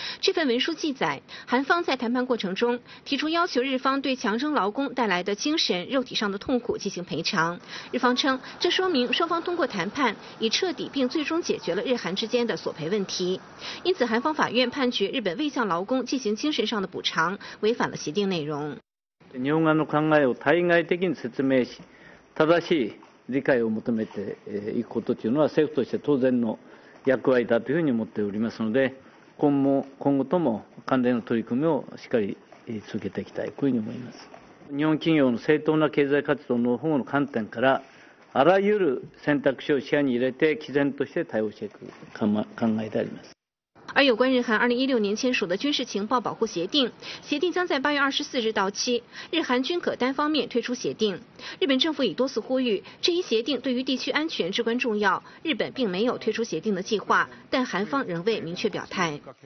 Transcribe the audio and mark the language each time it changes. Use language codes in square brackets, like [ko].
[zh] 这份文书记载，韩方在谈判过程中提出要求日方对强征劳工带来的精神肉体上的痛苦进行赔偿。日方称，这说明双方通过谈判已彻底并最终解决了日韩之间的索赔问题。因此，韩方法院判决日本未向劳工进行精神上的补偿，违反了协定内容。 [ja] 日本側の考えを対外的に説明し、正しい理解を求めていくことというのは政府として当然の役割だというふうに思っておりますので、今後とも関連の取り組みをしっかり続けていきたいというふうに思います。日本企業の正当な経済活動の保護の観点から、あらゆる選択肢を視野に入れて毅然として対応していく考えであります。 [zh] 而有关日韩2016年签署的军事情报保护协定，协定将在8月24日到期，日韩均可单方面退出协定。日本政府已多次呼吁，这一协定对于地区安全至关重要，日本并没有退出协定的计划，但韩方仍未明确表态。